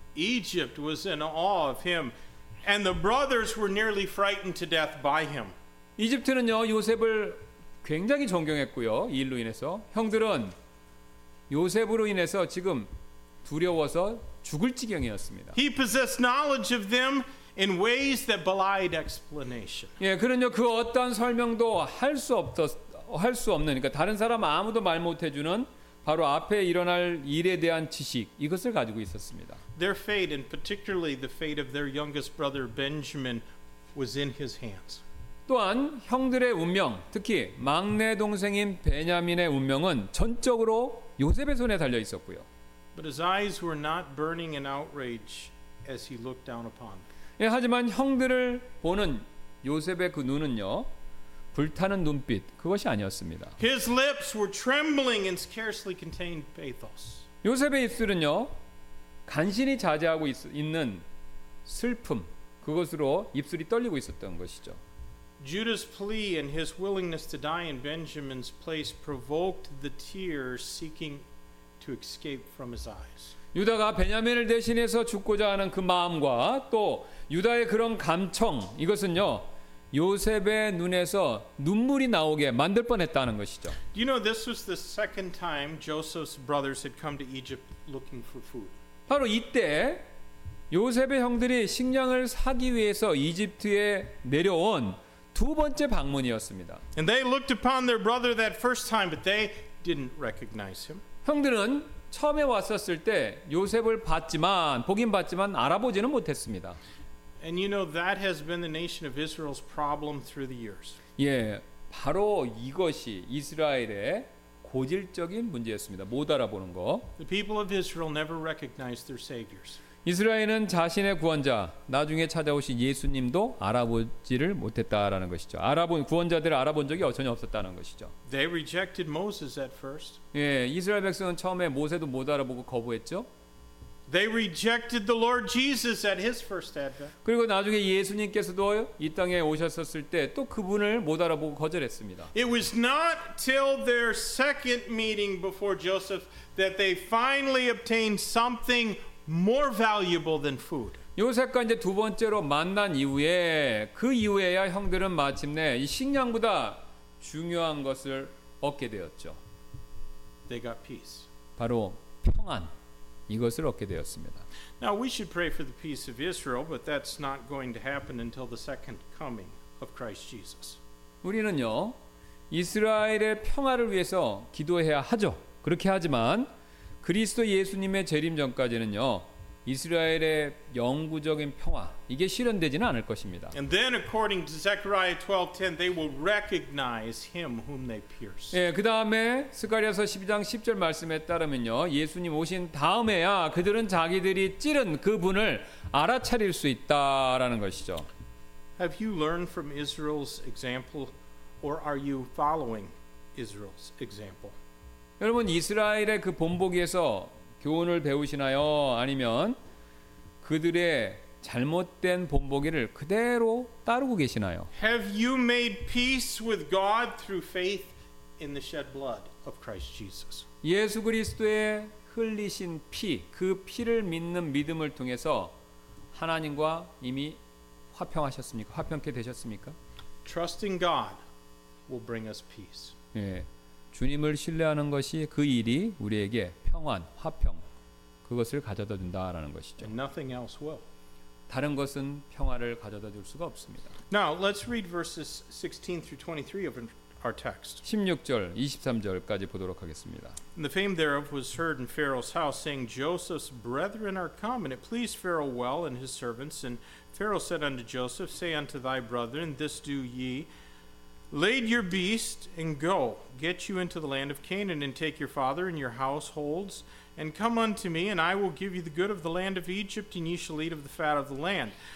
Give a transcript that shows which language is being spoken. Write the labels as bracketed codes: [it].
[en] Egypt was in awe of him and the brothers were nearly frightened to death by him. [ko] 이집트는요, 요셉을 굉장히 존경했고요. 이 일로 인해서 형들은 요셉으로 인해서 지금 두려워서 죽을 지경이었습니다. [en] He possessed knowledge of them in ways that belied explanation. [ko] 예, 그는요, 그 어떤 설명도 할 수 없는 그러니까 다른 사람 아무도 말 못 해 주는 바로 앞에 일어날 일에 대한 지식 이것을 가지고 있었습니다. [en] Their fate and particularly the fate of their youngest brother Benjamin was in his hands. [ko] 또한 형들의 운명, 특히 막내 동생인 베냐민의 운명은 전적으로 요셉의 손에 달려 있었고요. [en] But his eyes were not burning in outrage as he looked down upon. [ko] 예, 하지만 형들을 보는 요셉의 그 눈은요. 불타는 눈빛 그것이 아니었습니다. [en] His lips were trembling and scarcely contained pathos. [ko] 요셉의 입술은요. 간신히 자제하고 있는 슬픔 그것으로 입술이 떨리고 있었던 것이죠. [en] Judah's plea and his willingness to die in Benjamin's place provoked the tears seeking to escape from his eyes. [ko] 유다가 베냐민을 대신해서 죽고자 하는 그 마음과 또 유다의 그런 감청 이것은요. 요셉의 눈에서 눈물이 나오게 만들 뻔했다는 것이죠. [en] You know, this was the second time Joseph's brothers had come to Egypt looking for food. [ko] 바로 이때 요셉의 형들이 식량을 사기 위해서 이집트에 내려온 두 번째 방문이었습니다. [en] And they looked upon their brother that first time, but they didn't recognize him. [ko] 형들은 처음에 왔었을 때 요셉을 봤지만 보긴 봤지만 알아보지는 못했습니다. [en] And you know that has been the nation of Israel's problem through the years. [ko] 예, 바로 이것이 이스라엘의 고질적인 문제였습니다. 못 알아보는 거. [en] The people of Israel never recognized their saviors. [ko] 이스라엘은 자신의 구원자, 나중에 찾아오신 예수님도 알아보지를 못했다라는 것이죠. 알아본 구원자들을 알아본 적이 전혀 없었다는 것이죠. [en] They rejected Moses at first. [ko] 예, 이스라엘 백성은 처음에 모세도 못 알아보고 거부했죠. [en] They rejected the Lord Jesus at his first advent. [ko] 그리고 나중에 예수님께서도 이 땅에 오셨었을 때 또 그분을 못 알아보고 거절했습니다. [en] It was not till their second meeting before Joseph that they finally obtained something more valuable than food. [ko] 요셉과 이제 두 번째로 만난 이후에 그 이후에야 형들은 마침내 이 식량보다 중요한 것을 얻게 되었죠. [en] They got peace. [ko] 바로 평안 이것을 얻게 되었습니다. [en] Now we should pray for the peace of Israel, but that's not going to happen until the second coming of Christ Jesus. [ko] 우리는요 이스라엘의 평화를 위해서 기도해야 하죠. 그렇게 하지만 그리스도 예수님의 재림 전까지는요. 이스라엘의 영구적인 평화 이게 실현되지는 않을 것입니다. [en] And then according to Zechariah 12:10 they will recognize him whom they pierced. [ko] 예, 그다음에 스가랴서 12장 10절 말씀에 따르면요. 예수님 오신 다음에야 그들은 자기들이 찌른 그분을 알아차릴 수 있다라는 것이죠. [en] Have you learned from Israel's example or are you following Israel's example? [ko] 여러분 이스라엘의 그 본보기에서 교훈을 배우시나요? 아니면 그들의 잘못된 본보기를 그대로 따르고 계시나요? [en] Have you made peace with God through faith in the shed blood of Christ Jesus? [ko] 예수 그리스도의 흘리신 피, 그 피를 믿는 믿음을 통해서 하나님과 이미 화평하셨습니까? 화평케 되셨습니까? [en] Trusting God will bring us peace. [ko] 예. 주님을 신뢰하는 것이 그 일이 우리에게 평안, 화평 그것을 가져다 준다라는 것이죠. [en] And nothing else will. [ko] 다른 것은 평화를 가져다 줄 수가 없습니다. [en] Now let's read verses 16 through 23 of our text. [ko] 16절, 23절까지 보도록 하겠습니다. [en] And the fame thereof was heard in Pharaoh's house, saying, Joseph's brethren are come, and it pleased Pharaoh well and his servants. And Pharaoh said unto Joseph, Say unto thy brethren, This do ye. Laid your beast, and go, get you into the land of Canaan, and take your father and your households, and come unto me, and I will give you the good of the land of Egypt, and ye shall eat of the fat of the land.